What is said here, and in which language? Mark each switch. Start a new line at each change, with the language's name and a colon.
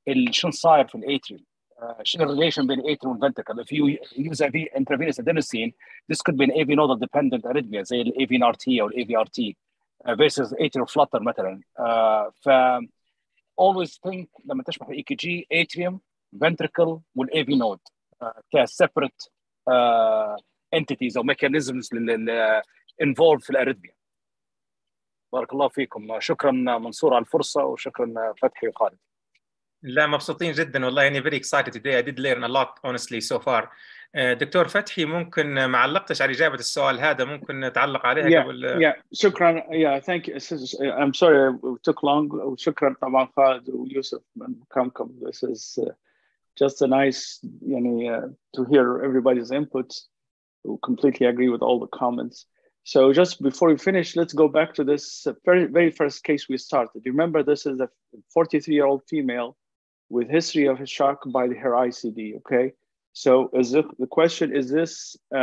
Arabic: شن صاير في الأتريوم شن الريليشن بين الأتريوم والفنتركل
English: if you use AV intravenous adenosine this could be an AV nodal dependent arrhythmia زي الـ AVNRT أو الـ AVRT versus atrial flutter مثلا ف always think لما تشبح الـ EKG atrium ventricle وال AV node كseparate entities أو mechanisms لل involved في الأرثميا.
Arabic: بارك الله فيكم شكرا منصور على الفرصة وشكرا فتحي وخالد. لا مبسوطين جدا والله يعني
English: very excited today I did learn a lot honestly so far.
Arabic: دكتور فتحي ممكن ما علقتش على إجابة السؤال هذا ممكن تعلق عليها
English: yeah, قبل yeah. شكرا yeah, thank you. I'm sorry it took long
Arabic: وشكرا طبعا خالد ويوسف من كامكم
English: this is just a nice you know to hear everybody's inputs who completely agree with all the comments so just before we finish let's go back to this very very first case we started you remember this is a 43 year old female with history of a shock by the her ICD okay so is it, the question is this